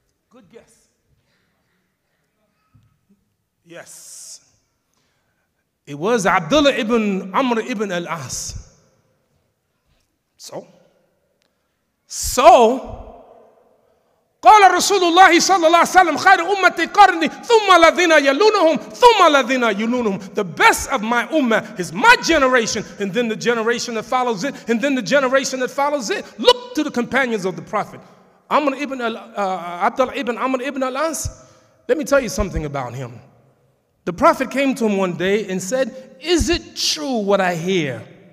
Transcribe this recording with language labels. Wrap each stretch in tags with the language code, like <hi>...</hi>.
<en>Good guess. Yes. It was Abdullah ibn Amr ibn al-As.</en> <ar>So, قال رسول الله صلى الله عليه وسلم خير أمتي قرني ثم الذين يلونهم ثم الذين يلونهم.</ar> <en>The best of my ummah is my generation, and then the generation that follows it, and then the generation that follows it. Look to the companions of the Prophet. Abdullah ibn Amr ibn al-As. Let me tell you something about him. The Prophet came to him one day and said, is it true what I hear?</en>